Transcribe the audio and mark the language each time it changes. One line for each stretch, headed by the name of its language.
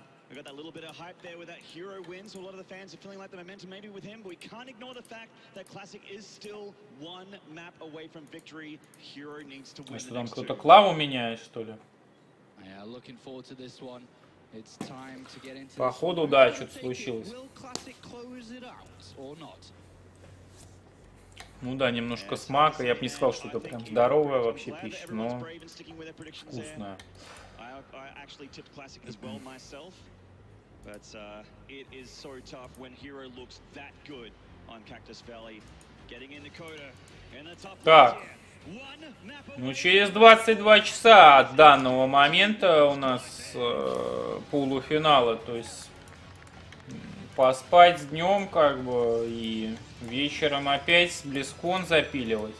English: We got that little bit of hype there with that Hero win, so a lot of the fans are feeling like the momentum may be with him, but we can't ignore the fact that Classic is still one map away from victory. Hero needs to win.
Russian: Что там, кто-то клаву меняет, что ли?
English: Yeah, looking forward to this one. It's time to get into.
Russian: Походу, да, что-то случилось.
English: Will Classic close it out or not?
Russian: Ну да, немножко смака. Я бы не сказал, что это прям здоровая вообще пища, но вкусная.
English: I actually tipped Classic as well myself, but it is so tough when Hero looks that good on Cactus Valley. Getting in Dakota in the top.
Russian: Так. Ну, через 22 часа от данного момента у нас полуфиналы, то есть поспать днем как бы и вечером опять Близкон запиливать.